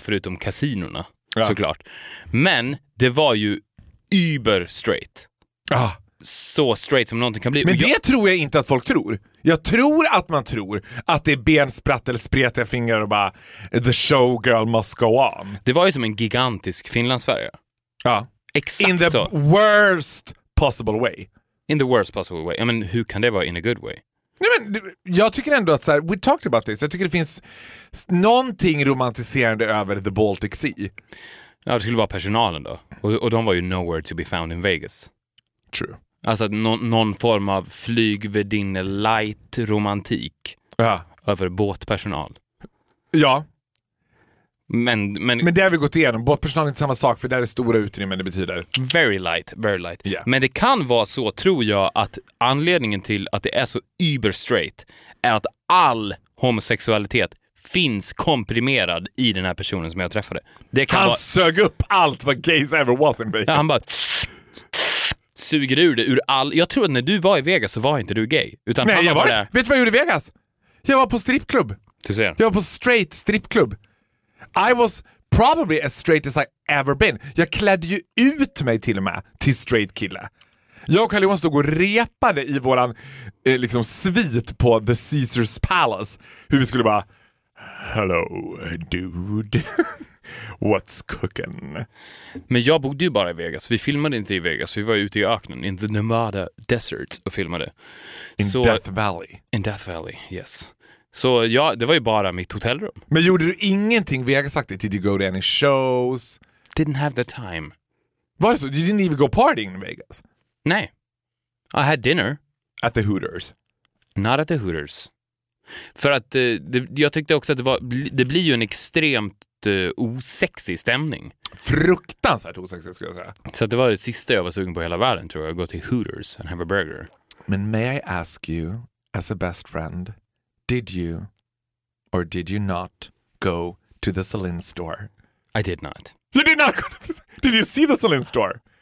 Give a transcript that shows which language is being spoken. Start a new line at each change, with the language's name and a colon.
Swedish: Förutom kasinorna, såklart. Men det var ju über straight. Så straight som någonting kan bli. Men det tror jag inte att folk tror. Jag tror att man tror att det är bensprat eller spretiga fingrar och bara
English: the showgirl must go on.
Swedish: Det var ju som en gigantisk finlandsfärja. Ja. Exakt
English: in the
Swedish: så.
English: Worst possible way. In the worst possible way. I mean,
Swedish: hur kan det vara
English: in a good way?
Swedish: Nej, men jag tycker ändå att så här,
English: we talked about this.
Swedish: Jag tycker det finns någonting romantiserande över
English: the Baltic Sea.
Swedish: Ja, det skulle vara personalen då. Och de var ju
English: nowhere to be found in Vegas. True.
Swedish: Alltså någon form av flygvärdinne light romantik. Ja. Över båtpersonal. Ja. Men det har vi gått igenom. Båtpersonal är inte samma sak, för det är stora utrymmen det betyder.
English: Very light, very light. Yeah.
Swedish: Men det kan vara så, tror jag, att anledningen till att det är så uber straight är att all homosexualitet finns komprimerad i den här personen som jag träffade. Det kan han vara... sög upp allt vad
English: gays ever was in Vegas.
Swedish: Ja, han bara suger ur det ur all... Jag tror att när du var i Vegas så var inte du gay. Utan nej, han jag var där... Vet du vad jag gjorde i Vegas? Jag var på strippklubb. Du ser. Jag var på straight strippklubb.
English: I was probably as straight as I ever been.
Swedish: Jag klädde ju ut mig till och med till straight kille. Jag och Karl-Johan stod och repade i våran liksom svit på The Caesar's Palace. Hur vi skulle bara...
English: Hello, dude. What's cooking?
Swedish: Men jag bodde ju bara i Vegas. Vi filmade inte i Vegas. Vi var ute i öknen.
English: In the Nevada desert och filmade. Death Valley.
Swedish: In Death Valley, yes. Så ja, det var ju bara mitt hotellrum. Men gjorde du ingenting Vegas-aktigt?
English: Did you go to any shows? Didn't have the time.
Swedish: Var det så?
English: You didn't even go partying in Vegas?
Swedish: Nej.
English: I had dinner. At the Hooters? Not at the Hooters.
Swedish: För att jag tyckte också att det blir ju en extremt osexig stämning. Fruktansvärt osexig skulle jag säga. Så att det var det sista jag var sugen på hela världen, tror jag. Gå till Hooters
English: and have a burger. Men may I ask you, as a best friend, did you or did you not go to the Celine store? I did not. You did not go to the... Did you see the Celine store?